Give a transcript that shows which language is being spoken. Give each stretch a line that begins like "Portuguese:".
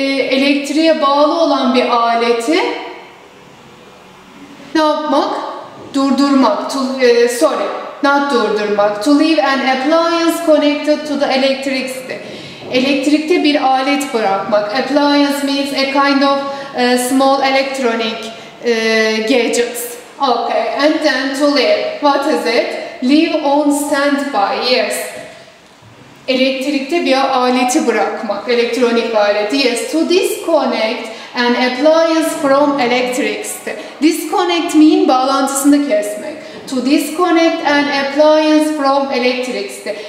Turkish: Elektriğe bağlı olan bir aleti ne yapmak? Durdurmak. Not durdurmak.
English: To leave an appliance connected to the electric system.
Turkish: Elektrikte bir alet bırakmak.
English: Appliance means a kind of small electronic gadgets. Okay. And then to leave. What is it? Leave on standby. Yes.
Turkish: Elektrikte bir aleti bırakmak, elektronik aleti.
English: Yes, to disconnect an appliance from electrics. Disconnect mean
Turkish: bağlantısını kesmek.
English: To disconnect an appliance from electrics.